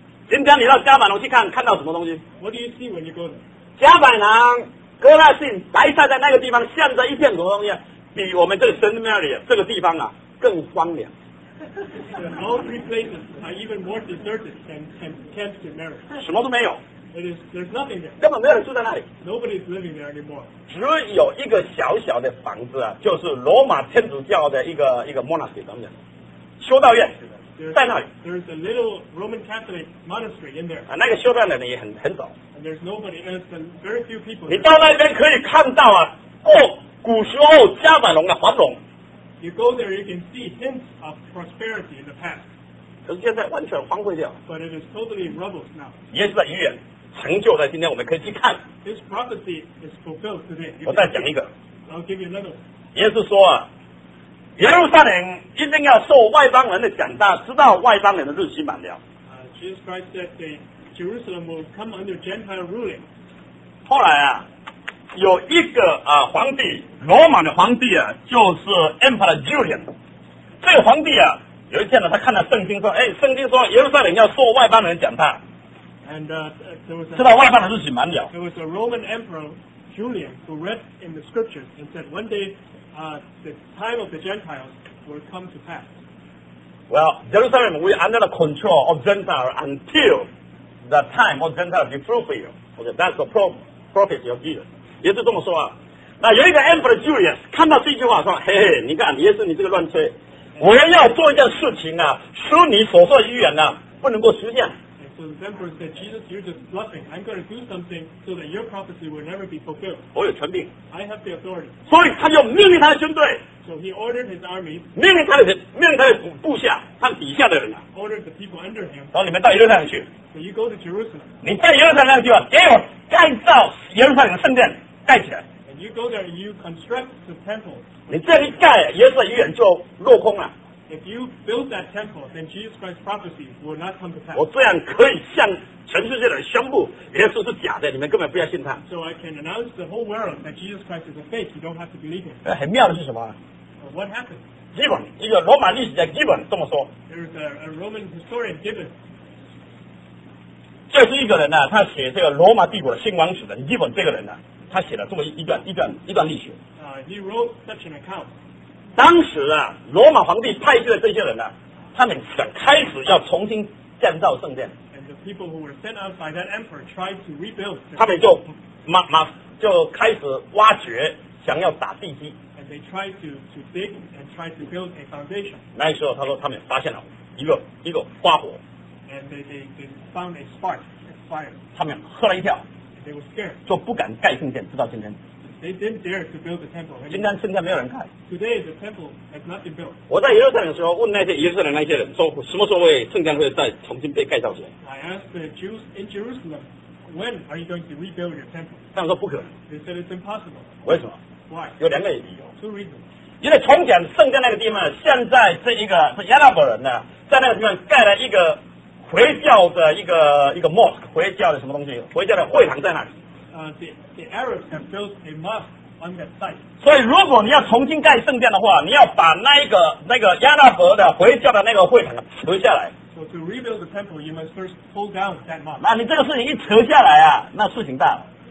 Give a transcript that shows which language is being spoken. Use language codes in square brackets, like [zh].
[zh] 今天你到加百农去看到什么东西 [en] ？What do you see when you go there？ [zh] 加百农、哥拉信、白塞在那个地方，现在一片什么东西？比我们这个 Saint Mary 这个地方啊更荒凉。 [en] All three places are even more deserted than Camp Saint Mary。 [zh] 什么都没有。 [en] There's nothing there. [zh] 根本没有人住在那里。 [en] Nobody's living there anymore. [zh] 只有一个小小的房子啊，就是罗马天主教的一个 monastery 等等，修道院在那里。 [en] There's a little Roman Catholic monastery in there. [zh] 啊，那个修道院的也很少。 [en] And there's nobody, and it's very few people. [zh] 你到那边可以看到啊，过古时候加百农的繁荣。 [en] You go there, you can see hints of prosperity in the past. [zh] 可是现在完全荒废掉。 [en] But it is totally rubbles now. [zh] 耶稣的预言。成就在今天，我们可以去看。 [en] This prophecy is fulfilled today. [zh] 我再讲一个。 [en] I'll give you another. [zh] 耶稣说啊，耶路撒冷一定要受外邦人的审判，直到外邦人的日期满了。 [en] Jesus Christ said that Jerusalem will come under Gentile ruling. [zh] 后来啊，有一个皇帝，罗马的皇帝啊，就是 Emperor Julian。这个皇帝啊，有一天呢，他看到圣经说，哎，圣经说耶路撒冷要受外邦人审判。 [en] And there was [zh] 知道外邦的日期满了。 [en] There was a Roman Emperor Julian who read in the scriptures and said one day, the time of the Gentiles will come to pass. Well, Jerusalem will under the control of Gentiles until the time of Gentiles be fulfilled. Okay, that's the prophecy of Jesus. [zh] 耶稣这么说啊。那有一个 Emperor Julian 看到这句话说，嘿嘿，你看耶稣你这个乱吹，我要做一件事情啊，说你所说的预言啊不能够实现。 [en] So the emperor said, Jesus, you're just bluffing. I'm going to do something so that your prophecy will never be fulfilled. [zh] 我有权柄。 [en] I have the authority. [zh] 所以他就命令他的军队。 [en] So he ordered his army. [zh] 命令他的部下，他底下的人啊。 [en] Ordered the people under him. [zh] 然后你们到耶路撒冷去。 [en] So you go to Jerusalem. [zh] 你在耶路撒冷去啊，给我盖造耶路撒冷的圣殿，盖起来。 [en] And you go there and you construct the temple. [zh] 你这一盖，耶稣的预言就落空了。 [en] If you build that temple, then Jesus Christ's prophecy will not come to pass. [zh] 我这样可以向全世界的人宣布，耶稣是假的，你们根本不要信他。 [en] So I can announce the whole world that Jesus Christ is a fake. You don't have to believe him. [zh] 很妙的是什么 [en] ？What happened? [zh] Gibbon, 一个罗马历史家 Gibbon 这么说。 [en] There's a Roman historian Gibbon. [zh] 这是一个人呢、啊，他写这个罗马帝国的兴亡史的。日本这个人呢、啊，他写了这么一段历史。 [en] He wrote such an account. [zh] 当时啊，罗马皇帝派去的这些人呢、啊，他们想开始要重新建造圣殿。 [en] And the people who were sent out by that emperor tried to rebuild. [zh] 他们就就开始挖掘，想要打地基。 [en] And they tried to dig and tried to build a foundation. [zh] 那时候他说他们发现了一个花火。 [en] And they found a spark, a fire. [zh] 他们吓了一跳。 [en] And they were scared. [zh] 就不敢盖圣殿，直到今天。 [en] They didn't dare to build the temple. [zh] 今天圣殿没有人盖。 [en] Today the temple has not been built. [zh] 我在耶路撒冷的时候问那些以色列那些人说什么时候会圣殿会再重新被盖造起来。 [en] I asked the Jews in Jerusalem, when are you going to rebuild your temple? [zh] 他们说不可能。 [en] They said it's impossible. [zh] 为什么？ [en] Why? [zh] 有两个理由。 [en] Two reasons. [zh] 因为从前圣殿那个地方，现在这一个是亚拉伯人呢，在那个地方盖了一个回教的一个 mosque， 回教的什么东西，回教的会堂在那里。 [en] The Arabs have built a mosque on that site. [zh] 所以如果你要重新盖圣殿的话，你要把那个亚拉伯的回教的那个会堂扯下来。 [en] So to rebuild the temple, you must first pull down that mosque. [zh] 那你这个事情一扯下来啊，那事情大了。